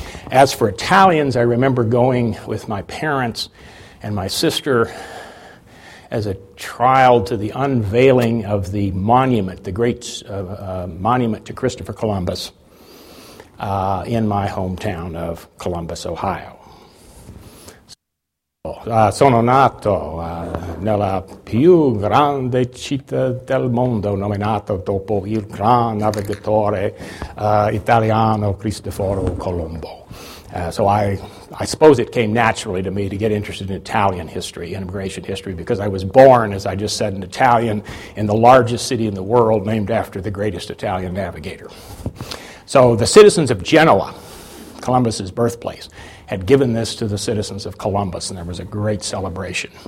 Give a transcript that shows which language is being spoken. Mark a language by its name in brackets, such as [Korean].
[English] As for Italians, I remember going with my parents and my sister as a child to the unveiling of the monument, the great monument to Christopher Columbus, in my hometown of Columbus, Ohio. [Italian] Sono nato nella più grande città del mondo, nominato dopo il gran navigatore italiano Cristoforo Colombo. [English] So I suppose it came naturally to me to get interested in Italian history, in immigration history, because I was born, as I just said, an Italian in the largest city in the world named after the greatest Italian navigator. So the citizens of Genoa, Columbus's birthplace, had given this to the citizens of Columbus, and there was a great celebration.